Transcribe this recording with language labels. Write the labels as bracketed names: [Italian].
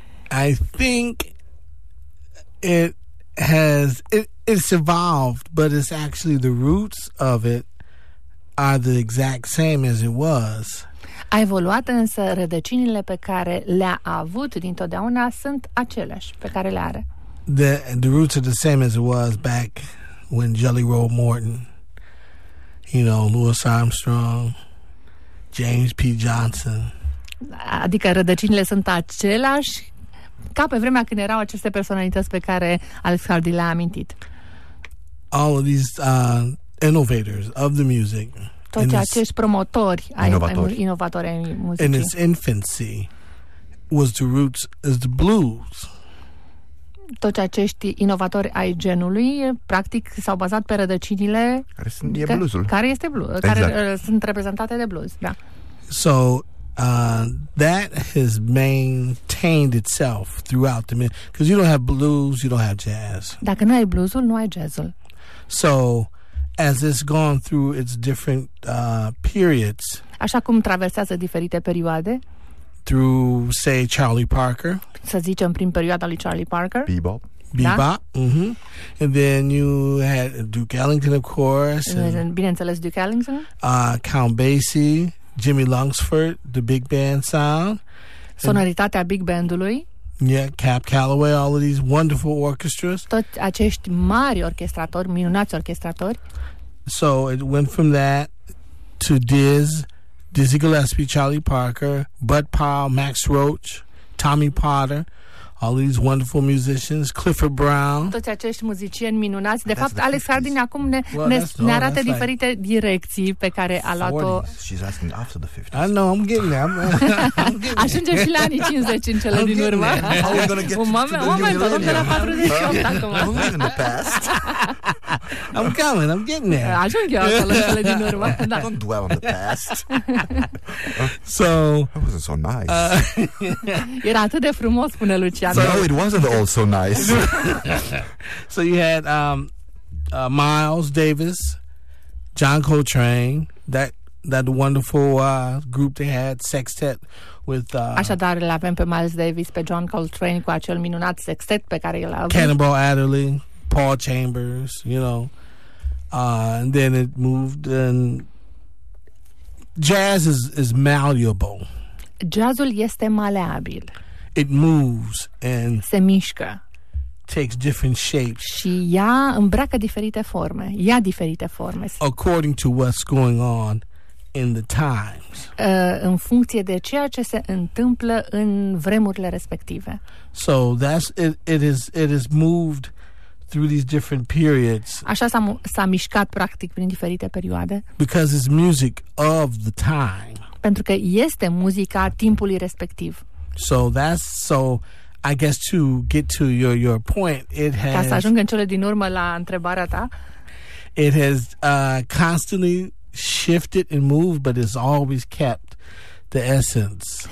[English] I think it's evolved, but it's actually the roots of it are the exact same as it was. [Romanian] A evoluat, însă rădăcinile pe care le-a avut dintotdeauna sunt aceleași pe care le are. [English] The roots are the same as it was back when Jelly Roll Morton, you know, Louis Armstrong, James P. Johnson. [Romanian] Adică rădăcinile sunt aceleași ca pe vremea când erau aceste personalități pe care Alex Hardy le-a amintit. [English] All of these innovators of the music. [Romanian] Toți acești promotori inovatori ai muzicii. [English] In its infancy was the roots is the blues. [Romanian] Toți acești inovatori ai genului practic s-au bazat pe rădăcinile care sunt reprezentate de blues, da. [English] So that has maintained itself throughout the minute, because you don't have blues, you don't have jazz. [Romanian] Dacă nu ai bluesul, nu ai jazzul. [English] So as it's gone through its different periods. [Romanian] Așa cum traversează diferite perioade. [English] Through, say, Charlie Parker. [Romanian] Să zicem, prin perioada lui Charlie Parker. [English] Bebop. Da? Mm-hmm. And then you had Duke Ellington, of course. And [Romanian] bineînțeles, Duke Ellington. [English] Count Basie, Jimmy Lunsford, the big band sound. [Romanian] Sonoritatea big bandului. [English] Yeah, Cab Calloway, all of these wonderful orchestras. [Romanian] Tot acești mari orchestratori, minunați orchestratori. [English] So it went from that to Dizzy Gillespie, Charlie Parker, Bud Powell, Max Roach, Tommy Potter, all these wonderful musicians, Clifford Brown. [Romanian] Toți acești muzicieni minunați. De fapt, Alex Harding acum ne arată diferite direcții pe care a luat-o. [English] She's asking after the 50s. I know, I'm getting there. [Romanian] Ajungem și la anii 50 în cele din urmă. [English] I'm coming, I'm getting there. [Romanian] Ajung eu acolo în cele din urmă. [English] Don't dwell on the past. So, that wasn't so nice. [Romanian] Era atât de frumos, spune Lucian. [English] So, no, it wasn't all so nice. So you had Miles Davis, John Coltrane, that wonderful group they had, sextet with [Romanian] Așadar, îl avem pe Miles Davis, pe John Coltrane cu acel minunat sextet pe care el a avut. [English] Cannonball Adderley, Paul Chambers, you know. And then it moved and jazz is malleable. [Romanian] Jazzul este maleabil. [English] It moves and [Romanian] se mișcă. [English] Takes different shapes. [Romanian] Și ea îmbracă diferite forme. Ia diferite forme. [English] According to what's going on in the times. [Romanian] În funcție de ceea ce se întâmplă în vremurile respective. [English] So that's it is moved through these different periods. [Romanian] Așa s-a mișcat practic prin diferite perioade. [English] Because it's music of the time. [Romanian] Pentru că este muzica timpului respectiv. [English] So I guess to get to your point, it has. [Romanian] Ca să ajung în cele din urmă la întrebarea ta. [English] It has constantly shifted and moved, but it's always kept the essence.